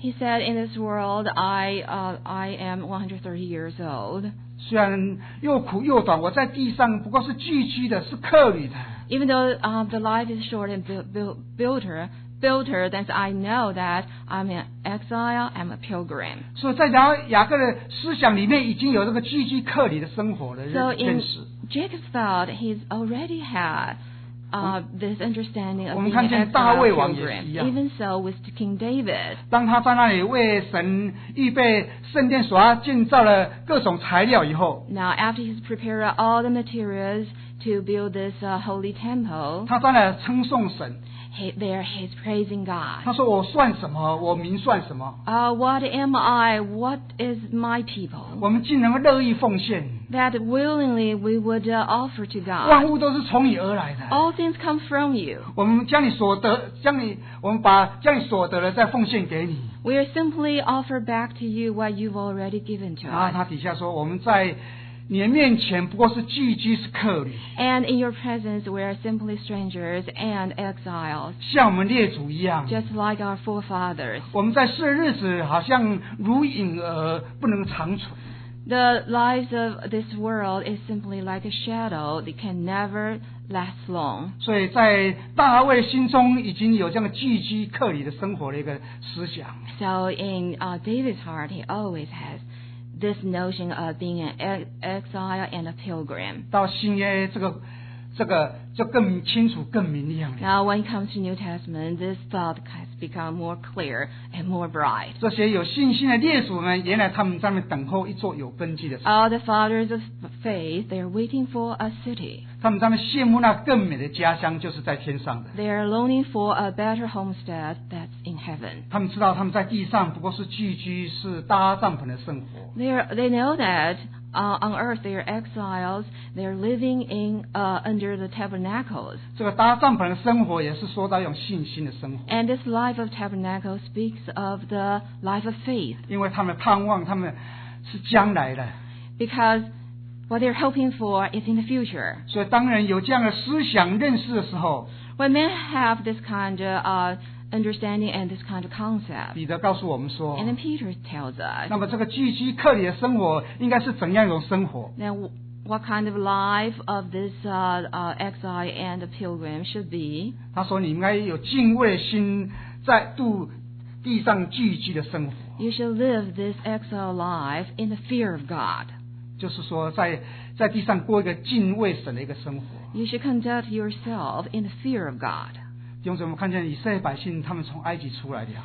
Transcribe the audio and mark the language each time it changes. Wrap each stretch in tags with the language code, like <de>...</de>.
<en>He said, "In this world, I am 130 years old."</en> <zh>虽然又苦又短，我在地上不过是寄居的，是客旅的。</zh> <en>Even though the life is short and builder, then I know that I'm an exile, I'm a pilgrim.</en> <zh>所以在雅各的思想里面已经有这个寄居客旅的生活了，认识。</zh> <en>So in Jacob thought he already had this understanding of being an exile pilgrim, even so with King David.</en> <zh>当他在那里为神预备圣殿所要建造的各种材料以后,</zh> <en>now after he's prepared all the materials to build this holy temple,</en> <zh>他在那里称颂神。</zh> <en>There he's praising God.</en> <zh>他说我算什么？我名算什么？</zh> <en>What am I? What is my people?</en> <zh>我们竟能乐意奉献。</zh> <en>That willingly we would offer to God.</en> <zh>万物都是从你而来的。</zh> <en>All things come from you.</en> <zh>我们将你所得，将你，我们把将你所得的再奉献给你。</zh> <en>We are simply offer back to you what you've already given to us.</en> <zh>啊，他底下说我们在。你的面前不过是寄居是客旅</zh> <en>and in your presence we are simply strangers and exiles</en> <zh>像我们列祖一样</zh> <en>just like our forefathers</en> <zh>我们在世的日子好像如影而不能长存</zh> <en>the lives of this world is simply like a shadow that can never last long</en> <zh>所以在大卫心中已经有这样寄居客旅的生活的一个思想</zh> <en>so in David's heart he always hasThis notion of being an exile and a pilgrim.</en> <zh>到新约这更清楚更明亮。</zh> <en>Now when it comes to New Testament, this thought has become more clear and more bright.</en> <zh>这些有信心的列祖们，原来他们在那等候一座有根基的。</zh> <en>All the fathers of faith, they are waiting for a city.</en> <zh>他们在那羡慕那更美的家乡，就是在天上的。</zh> <en>They are longing for a better homestead that's in heaven.</en> <zh>他们知道他们在地上不过是寄居，是搭帐篷的生活。</zh> <en>They know that. On earth, they are exiles. They are living in under the tabernacles.</en> <zh>这个搭帐篷的生活也是说到用信心的生活。</zh> <en>And this life of tabernacles speaks of the life of faith.</en> <zh>因为他们盼望他们是将来的。</zh> <en>Because what they're hoping for is in the future.</en> <zh>所以当人有这样的思想认识的时候</zh> <en>，When men have this kind of understanding and this kind of concept.</en> <zh>彼得告诉我们说</zh> <en>And then Peter tells us.</en> <zh>那么这个寄居客旅的生活应该是怎样一种生活</zh> <en>Then what kind of life of this exile and the pilgrim should be?</en> <zh>他说你应该有敬畏心在度地上寄居的生活</zh> <en>You should live this exile life in the fear of God.</en> <zh>就是说在地上过一个敬畏神的一个生活</zh> <en>You should conduct yourself in the fear of God.</en> <zh>弟兄姊妹，我们看见以色列百姓他们从埃及出来了。</zh>